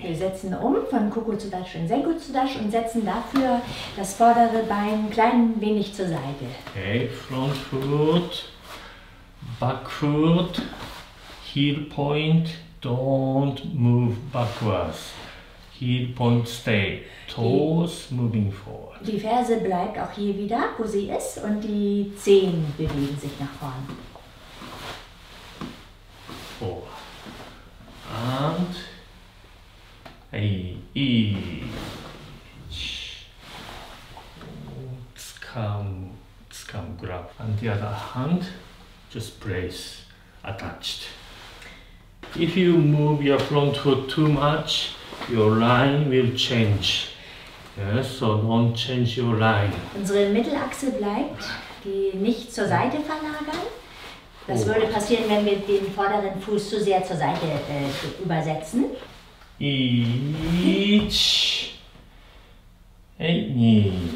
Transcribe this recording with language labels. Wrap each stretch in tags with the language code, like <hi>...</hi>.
<de>Wir setzen um von Kokutsudachi in Senkutsudachi und setzen dafür das vordere Bein klein wenig zur Seite.</de> <en>Okay, front foot, back foot, heel point, don't move backwards. Heel point stay, toes moving forward.</en> <de>Die Ferse bleibt auch hier wieder, wo sie ist, und die Zehen bewegen sich nach vorne.</de> <en>And I tsukam grab, and the other hand just place attached. If you move your front foot too much, your line will change. Yes, so don't change your line.</en> <de>Unsere Mittelachse bleibt, die nicht zur Seite verlagern. Das würde passieren, wenn wir den vorderen Fuß zu sehr zur Seite übersetzen. Ich. Eini.</de>